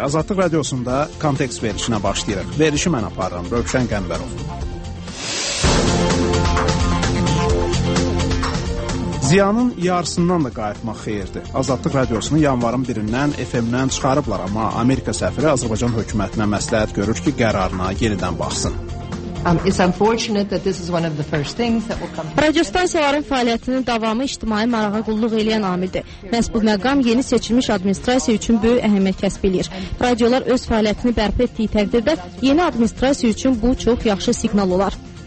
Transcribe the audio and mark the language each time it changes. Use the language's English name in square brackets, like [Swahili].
[Azerbaijani] Azadlıq radiosunda kontekst verilişinə başlayırıq. Verilişi mən aparıram, Rövşən Qəmbərov. Ziyanın yarısından da qayıtmaq xeyirdir. Azadlıq radiosunu yanvarın 1-dən FM-dən çıxarıblar, amma Amerika səfiri Azərbaycan hökumətinə məsləhət görür ki, qərarına yenidən baxsın. [English] It's unfortunate that this is one of the first things that will come. [Azerbaijani] Radiostansiyaların fəaliyyətinin davamı ictimai marağa qulluq eləyən amildir. Məhz bu məqam yeni seçilmiş administrasiya üçün böyük əhəmiyyət kəsb edir. Radiolar öz fəaliyyətini bərpa etdiyi təqdirdə yeni administrasiya üçün bu çox yaxşı siqnal olar.